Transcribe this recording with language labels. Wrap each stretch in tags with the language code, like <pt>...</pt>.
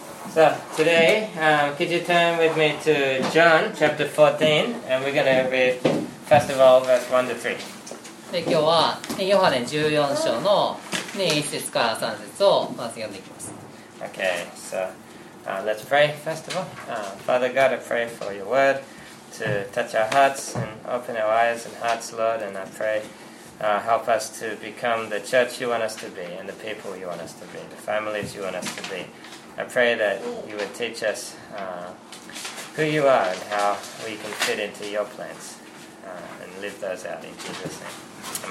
<en>So today, could you turn with me to John chapter 14, and we're going to read first of all verse 1 to 3.</en> <ja>で今日はヨハネ14章の、ね、1節から3節をまず読んでいきます。</ja> <en>Okay, so let's pray first of all. Father God, I pray for your word to touch our hearts and open our eyes and hearts, Lord, and I pray help us to become the church you want us to be and the people you want us to be, the families you want us to be. I pray that you would teach us who you are and how we can fit into your plans and live those out in Jesus' name.</en>